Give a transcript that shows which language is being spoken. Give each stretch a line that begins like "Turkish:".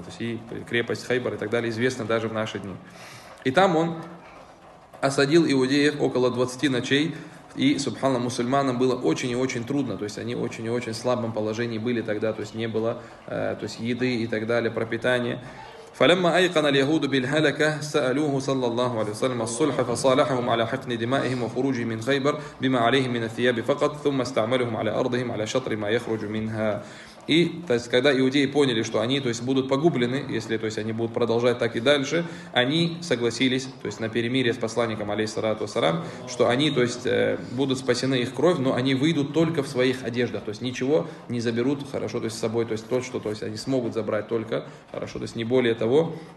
Russian: То есть и крепость Хайбар и так далее известна даже в наши дни. И там он осадил иудеев около 20 ночей. И, субханаллах, мусульманам было очень и очень трудно. То есть они очень и очень в слабом положении были тогда. То есть не было то есть еды и так далее, пропитания.
Arabic: فلما أيقن اليهود بالهلكة سألوه صلى الله عليه وسلم الصلح فصالحهم على حقن دمائهم وخروج من خيبر بما عليهم من الثياب فقط ثم استعملهم على أرضهم على شطر ما يخرج منها.
Russian: И то есть, когда иудеи поняли, что они, то есть, будут погублены, если, то есть, они будут продолжать так и дальше, они согласились, то есть, на перемирие с посланником, алейхиссалату ассалям, что они, то есть, будут спасены их кровь, но они выйдут только в своих одеждах, то есть, ничего не заберут, хорошо, то есть, с собой, то есть, то, что, то есть, они смогут забрать только, хорошо, то есть, не более того.